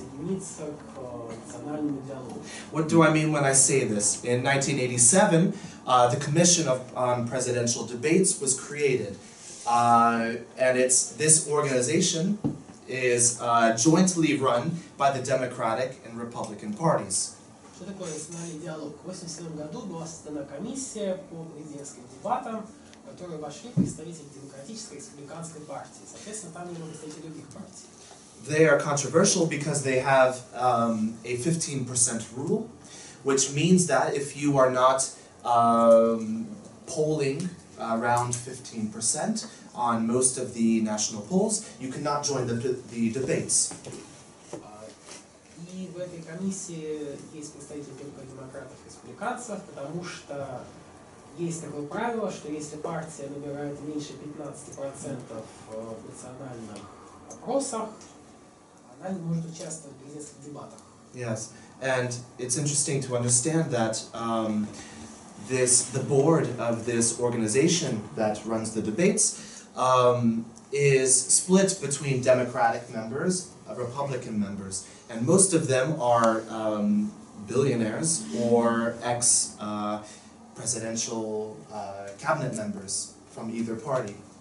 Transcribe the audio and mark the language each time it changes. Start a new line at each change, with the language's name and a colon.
English: What do I mean when I say this? In 1987, the Commission on Presidential Debates was created. And it's this organization is jointly run by the Democratic and Republican parties.
Russian: Что такое национальный диалог? В 87 году была создана комиссия по президентским дебатам, в которую вошли представители Демократической и Республиканской партии. Соответственно, там не было представителей других партий.
English: They are controversial because they have a 15% rule, which means that if you are not polling around 15% on most of the national polls, you cannot join the debates.
Russian: И в этой комиссии есть представители только демократов и республиканцев, потому что есть такое правило, что если партия набирает меньше 15% в национальных опросах, она не может участвовать в президентских дебатах.
English: Yes, and it's interesting to understand that this the board of this organization that runs the debates is split between Democratic members, Republican members, and most of them are billionaires or ex-presidential cabinet members from either party.